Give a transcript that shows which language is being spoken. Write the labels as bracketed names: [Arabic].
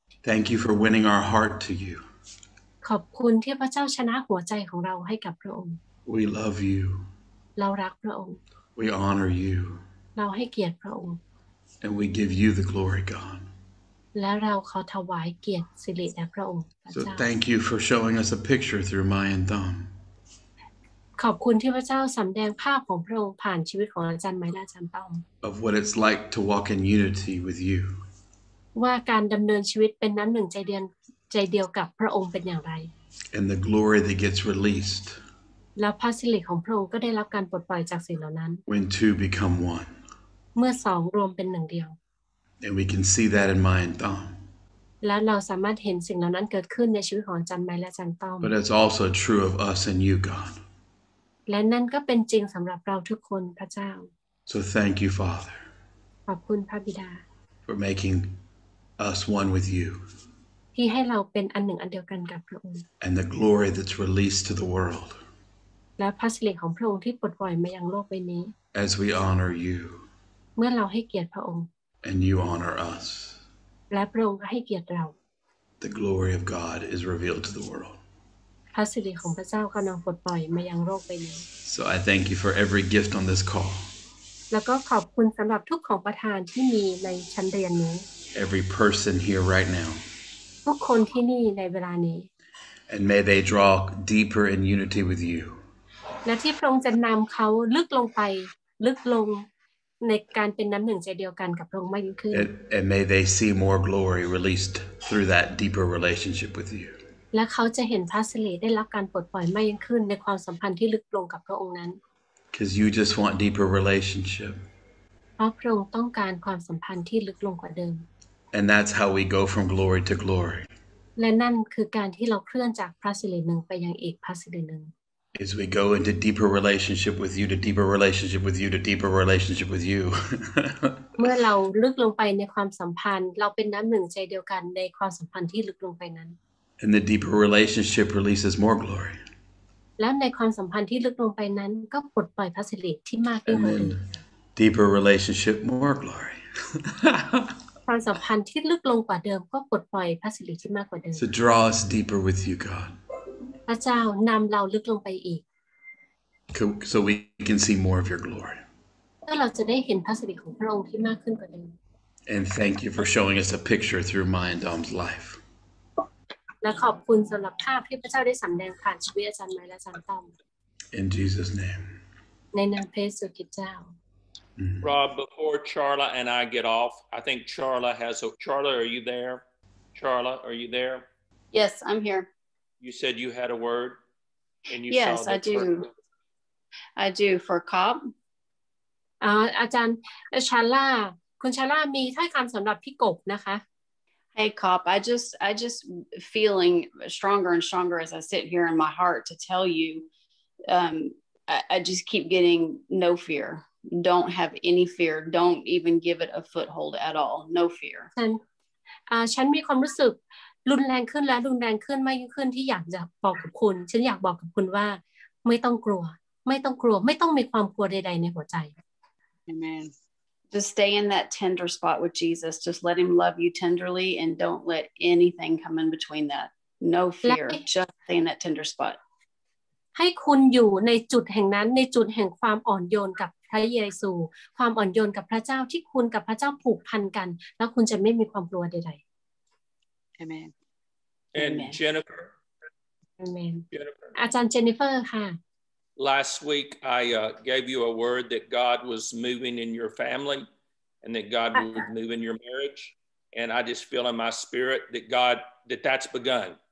[English] Thank you for winning our heart to you [Thai] ขอบคุณที่พระเจ้าชนะหัวใจของเราให้กับพระองค์ [English] We love you [Thai] เรารักพระองค์ [English] We honor you [Thai] เราให้เกียรติพระองค์ [English] And we give you the glory God [Thai] และเราขอถวายเกียรติสิริแด่พระองค์ [English] So thank you for showing us a picture through Mai and Thom [Thai] ขอบคุณที่พระเจ้าสำแดงภาพของพระองค์ผ่านชีวิตของอาจารย์ไมและอาจารย์ต้อม [English] Of what it's like to walk in unity with you [Thai] ว่าการดำเนินชีวิตเป็นน้ำหนึ่งใจเดียวใจเดียวกับพระองค์เป็นอย่างไร [English] And the glory that gets released [Thai] แล้วพระสิริของพระองค์ก็ได้รับการปลดปล่อยจากสิ่งเหล่านั้น [English] When two become one [Thai] เมื่อสองรวมเป็นหนึ่งเดียว [English] And we can see that in my and Tom [Thai] แล้วเราสามารถเห็นสิ่งเหล่านั้นเกิดขึ้นในชีวิตของจันไมและจันต้อม [English] But it's also true of us and you God [Thai] และนั่นก็เป็นจริงสำหรับเราทุกคนพระเจ้า [English] So thank you Father [Thai] ขอบคุณพระบิดา [English] For making us one with you [Thai] ที่ให้เราเป็นอันหนึ่งอันเดียวกันกับพระองค์ [English] And the glory that's released to the world [Thai] และพระสิริของพระองค์ที่ปลดปล่อยมายังโลกใบนี้ [English] As we honor you [Thai] เมื่อเราให้เกียรติพระองค์ [English] And you honor us [Thai] และพระองค์ก็ให้เกียรติเรา [English] The glory of God is revealed to the world [Thai] พระสิริของพระเจ้ากำลังปลดปล่อยมายังโลกใบนี้ [English] So I thank you for every gift on this call [Thai] แล้วก็ขอบคุณสำหรับทุกของประทานที่มีในชั้นเรียนนี้ [English] Every person here right now [Thai] ทุกคนที่นี่ในเวลานี้ [English] And may they draw deeper in unity with you [Thai] และที่พระองค์จะนำเขาลึกลงไปลึกลงในการเป็นน้ำหนึ่งใจเดียวกันกับพระองค์มากยิ่งขึ้น [English] And may they see more glory released through that deeper relationship with you [Thai] และเขาจะเห็นพระสิริได้รับการปลดปล่อยมากยิ่งขึ้นในความสัมพันธ์ที่ลึกลงกับพระองค์นั้น [English] Because you just want deeper relationship [Thai] เพราะพระองค์ต้องการความสัมพันธ์ที่ลึกลงกว่าเดิม [English] And that's how we go from glory to glory. [Thai] และนั่นคือการที่เราเคลื่อนจากพระสิริหนึ่งไปยังอีกพระสิริหนึ่ง [English] As we go into deeper relationship with you, to deeper relationship with you, to deeper relationship with you. [Thai] เมื่อเราลึกลงไปในความสัมพันธ์เราเป็นน้ำหนึ่งใจเดียวกันในความสัมพันธ์ที่ลึกลงไปนั้น [English] And the deeper relationship releases more glory. [Thai] แล้วในความสัมพันธ์ที่ลึกลงไปนั้นก็ปลดปล่อยพระสิริที่มากขึ้นมาอีก [English] deeper relationship, more glory. [Thai] ความสัมพันธ์ที่ลึกลงกว่าเดิมก็ปลดปล่อยพระสิริที่มากกว่าเดิม [English] So draw us deeper with you God [Thai] พระเจ้านำเราลึกลงไปอีก [English] So we can see more of your glory [Thai] เพื่อเราจะได้เห็นพระสิริของพระองค์ที่มากขึ้นกว่าเดิม [English] And thank you for showing us a picture through my and Dom's life [Thai] และขอบคุณสำหรับภาพที่พระเจ้าได้สำแดงผ่านชีวิตอาจารย์ไมและอาจารย์ต้อม [English] In Jesus name [Thai] ในนามพระเยซูคริสต์เจ้า Mm-hmm. [English] Rob, before Charla and I get off, I think Charla has a... Charla, are you there? Charla, are you there? Yes, I'm here. You said you had a word? And you yes, saw I do. Word. I do for Cobb. [Thai] อาจารย์ Charla, คุณ Charla มีถ้อยคำสำหรับพี่กบนะคะ [English] Hey, Cobb, I just feeling stronger and stronger as I sit here in my heart to tell you, I just keep getting no fear. Don't have any fear. Don't even give it a foothold at all. No fear. [Thai] ฉันมีความรู้สึกรุนแรงขึ้นและรุนแรงขึ้นมากยิ่งขึ้นที่อยากจะบอกกับคุณฉันอยากบอกกับคุณว่าไม่ต้องกลัวไม่ต้องกลัวไม่ต้องมีความกลัวใดๆในหัวใจ [English] Amen. Just stay in that tender spot with Jesus. Just let him love you tenderly and don't let anything come in between that. No fear. Just stay in that tender spot. [Thai] ให้คุณอยู่ในจุดแห่งนั้นในจุดแห่งความอ่อนโยนกับพระเยซูความอ่อนโยนกับพระเจ้าที่คุณกับพระเจ้าผูกพันกันแล้วคุณจะไม่มีความกลัวใดๆ [English] Amen And Jennifer Amen Jennifer. อาจารย์เจนนิเฟอร์ค่ะ Last week I gave you a word that God was moving in your family and that God would move in your marriage and I just feel in my spirit that God that that's begun